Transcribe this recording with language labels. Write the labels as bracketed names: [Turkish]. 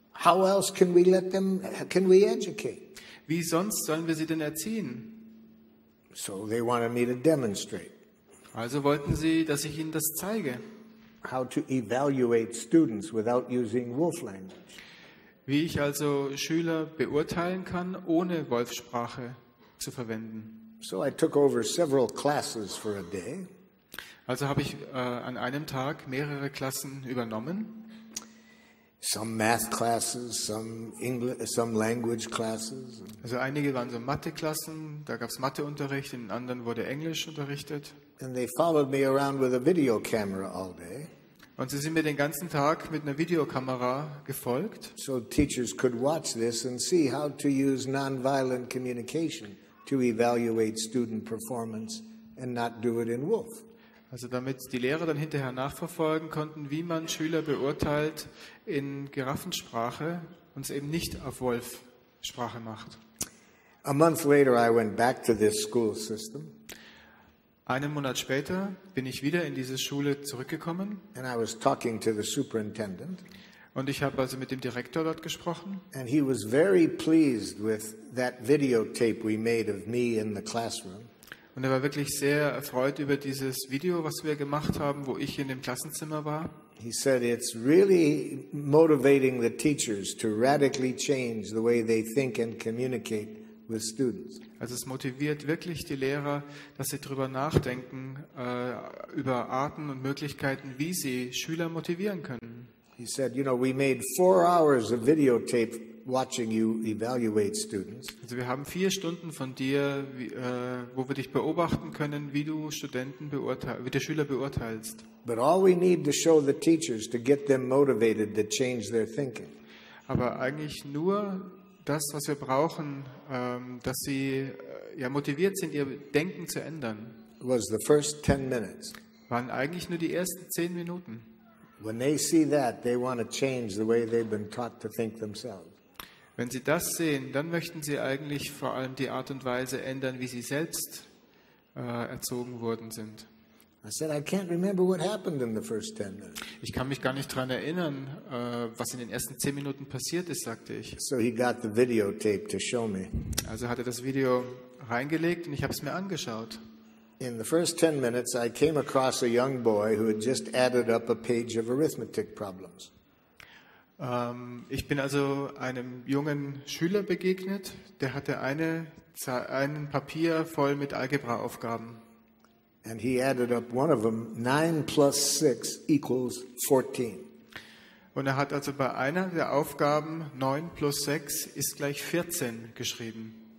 [English] How else can we let them, can we educate? [German] Wie sonst sollen wir sie denn erziehen? [English] So they wanted me to demonstrate. [German] Also wollten sie, dass ich ihnen das zeige. [English] How to evaluate students without using wolf language. [German] Wie ich also Schüler beurteilen kann, ohne Wolfsprache zu verwenden. [English] So I took over several classes for a day. [German] Also habe ich an einem Tag mehrere Klassen übernommen. [English] Some math classes, some English, some language classes. [German] Also einige waren so Matheklassen, da gab es Matheunterricht, in anderen wurde Englisch unterrichtet. [English] And they followed me around with a video camera all day. [German] Und sie sind mir den ganzen Tag mit einer Videokamera gefolgt. [English] So teachers could watch this and see how to use nonviolent communication to evaluate student performance and not do it in wolf. [German] Also damit die Lehrer dann hinterher nachverfolgen konnten, wie man Schüler beurteilt in Giraffensprache und es eben nicht auf Wolfsprache macht. [English] A month later I went back to this school system. [German] Einen Monat später bin ich wieder in diese Schule zurückgekommen. [English] And I was talking to the superintendent. [German] Und ich habe also mit dem Direktor dort gesprochen. [English] And he was very pleased with that videotape we made of me in the classroom. [German] Und er war wirklich sehr erfreut über dieses Video, was wir gemacht haben, wo ich in dem Klassenzimmer war. [English] He said it's really motivating the teachers to radically change the way they think and communicate with students. [German] Also es motiviert wirklich die Lehrer, dass sie darüber nachdenken, über Arten und Möglichkeiten, wie sie Schüler motivieren können. [English] He said, you know, we made 4 hours of videotape watching you evaluate students. [German] Also wir haben 4 Stunden von dir, wo wir dich beobachten können, wie du Studenten wie du Schüler beurteilst. [English] But all we need to show the teachers to get them motivated to change their thinking. [German] Aber eigentlich nur das, was wir brauchen, dass sie motiviert sind, ihr Denken zu ändern. [English] Was the first 10 minutes. [German] Waren eigentlich nur die ersten 10 Minuten. [English] When they see that, they want to change the way they've been taught to think themselves. [German] Wenn Sie das sehen, dann möchten Sie eigentlich vor allem die Art und Weise ändern, wie Sie selbst erzogen worden sind. [English] I said, I can't remember what happened in the first 10 minutes. [German] Ich kann mich gar nicht daran erinnern, was in den ersten 10 Minuten passiert ist, sagte ich. [English] So he got the videotape to show me. [German] Also hat er das Video reingelegt und ich habe es mir angeschaut. [English] In the first 10 minutes, I came across a young boy who had just added up a page of arithmetic problems. [German] Ich bin also einem jungen Schüler begegnet, der hatte einen Papier voll mit Algebraaufgaben. [English] And he added up one of them, 9 + 6 = 14. [German] Und er hat also bei einer der Aufgaben 9 + 6 = 14 geschrieben.